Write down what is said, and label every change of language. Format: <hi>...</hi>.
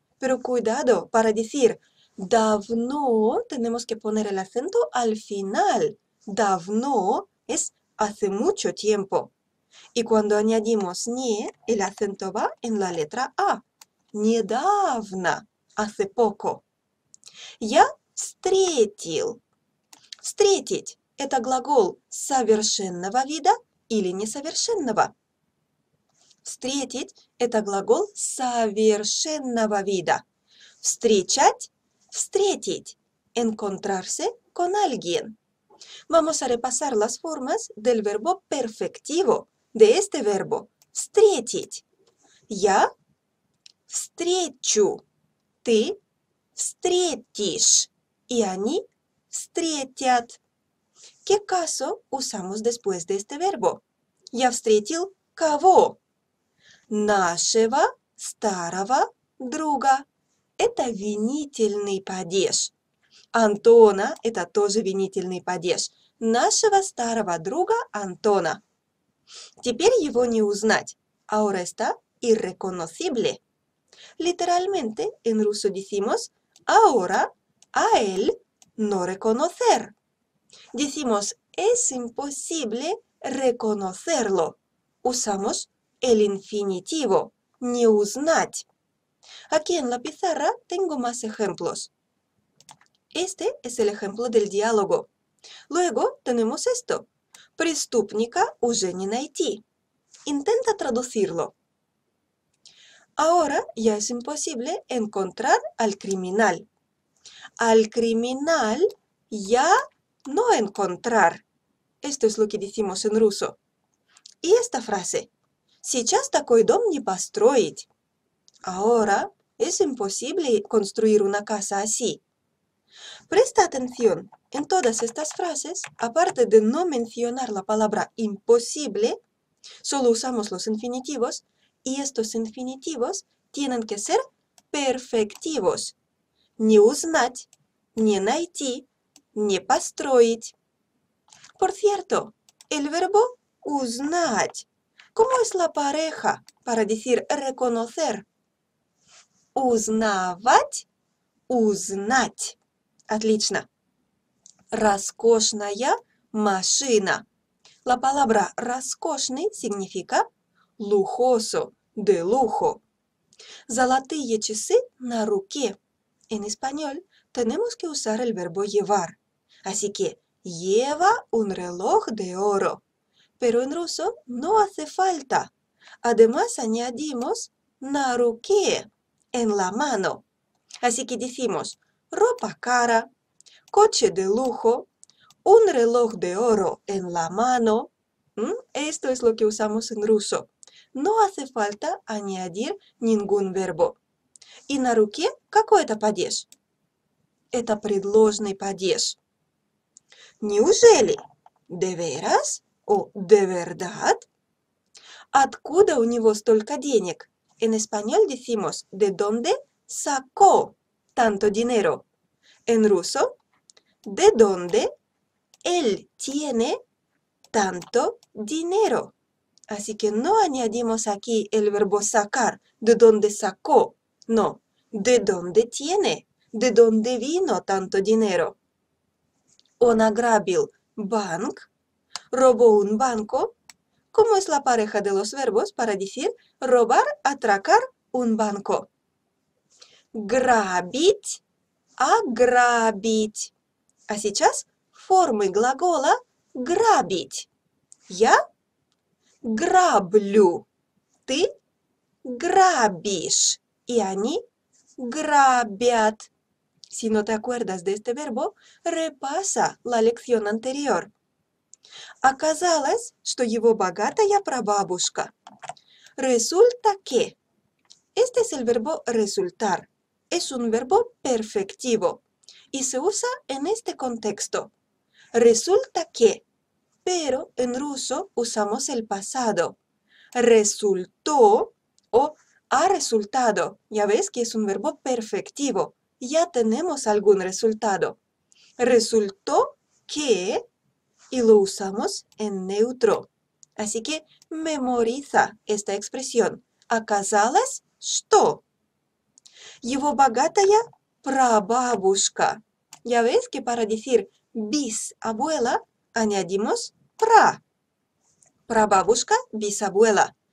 <es>Pero cuidado, para decir давно tenemos que poner el acento al final. Давно es hace mucho tiempo. Y cuando añadimos «не», el acento va en la letra «а». Недавно, hace poco.</es> <ru>Я встретил. Встретить – это глагол совершенного вида или несовершенного. Встретить – это глагол совершенного вида. Встречать – встретить.</ru> <es>Encontrarse con alguien. Vamos a repasar las formas del verbo perfectivo. De este verbo</es> <ru>встретить. Я встречу, ты встретишь, и они встретят.</ru> <es>¿Qué caso usamos después de este verbo?</es> <ru>Я встретил кого? Нашего старого друга. Это винительный падеж. Антона – это тоже винительный падеж. Нашего старого друга Антона. Теперь его не узнать.</ru> <es>Ahora está irreconocible. Literalmente, en ruso decimos ahora a él no reconocer. Decimos es imposible reconocerlo. Usamos el infinitivo,</es> <ru>не узнать.</ru> <es>Aquí en la pizarra tengo más ejemplos. Este es el ejemplo del diálogo. Luego tenemos esto.</es> <ru>Преступника уже не найти.</ru> <es>Intenta traducirlo. Ahora ya es imposible encontrar al criminal. Al criminal ya no encontrar. Esto es lo que decimos en ruso. Y esta frase.</es> <ru>Сейчас такой дом не построить.</ru> <es>Ahora es imposible construir una casa así. Presta atención. En todas estas frases, aparte de no mencionar la palabra imposible, solo usamos los infinitivos, y estos infinitivos tienen que ser perfectivos.</es> <ru>Не узнать, не найти, не построить.</ru> <es>Por cierto, el verbo узнать. ¿Cómo es la pareja para decir reconocer?</es> <ru>Узнавать, узнать. Отлично. Роскошная машина.</ru> <es>La palabra «роскошный» significa «lujoso», «de lujo».</es> <ru>Золотые часы на руке.</ru> <es>En español tenemos que usar el verbo «llevar». Así que «lleva un reloj de oro». Pero en ruso no hace falta. Además añadimos</es> <ru>«на руке»,</ru> <es>«en la mano». Así que decimos «ropa cara», coche de lujo, un reloj de oro en la mano. Esto es lo que usamos en ruso. No hace falta añadir ningún verbo.</es> <ru>¿Y на руке какой это падеж? Это предложный падеж. ¿Неужели?</ru> <es>¿De veras? ¿O de verdad?</es> <ru>¿Откуда у него столько денег?</ru> <es>En español decimos ¿de dónde sacó tanto dinero? En ruso ¿de dónde? Él tiene tanto dinero. Así que no añadimos aquí el verbo sacar, de dónde sacó, no, de dónde tiene, de dónde vino tanto dinero.</es> <ru>Он ограбил банк,</ru> <es>robó un banco. ¿Cómo es la pareja de los verbos para decir robar, atracar un banco?</es> <ru>Грабить, ограбить. А сейчас формы глагола грабить. Я граблю, ты грабишь, и они грабят.</ru> <es>Si no te acuerdas de este verbo, repasa la lección anterior.</es> <ru>Оказалось, что его богатая прабабушка.</ru> <es>Resulta que. Este es el verbo resultar. Es un verbo perfectivo y se usa en este contexto. Resulta que, pero en ruso usamos el pasado. Resultó o ha resultado. Ya ves que es un verbo perfectivo. Ya tenemos algún resultado. Resultó que y lo usamos en neutro. Así que memoriza esta expresión.</es> <ru>Оказалось, что. Его богатая прабабушка.</ru> <es>Ya ves que para decir bisabuela añadimos pra.</es> <ru>Прабабушка, bisabuela.</ru>